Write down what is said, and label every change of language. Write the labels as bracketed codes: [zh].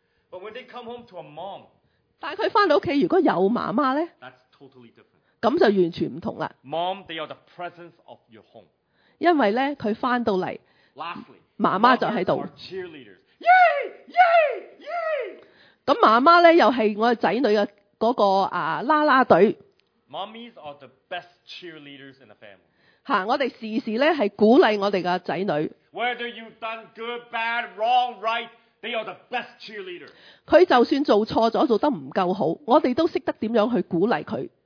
[en] But when they come home to a mom， [yue] 但系佢翻到屋企如果有妈妈咧 [en] ，That's totally different。 [yue] 咁就完全唔同啦。 [en] Mom， they are the presence of your home。 [yue] 因为咧，佢翻到嚟 [en] ，Lastly， [yue] 妈妈就喺度。 [en] Cheerleaders， yay， yay， yay。 [yue] 咁妈妈咧又系我仔女嘅。嗰、那個啦啦隊 [en] ，Mommies are the best cheerleaders in the family。 [yue] 嚇，我哋時時咧係鼓勵我哋嘅仔女。 [en] Whether you've done good, bad, wrong, right, they are the best cheerleaders。 [yue] 佢就算做錯咗，做得唔夠好，我哋都識得點樣去鼓勵佢。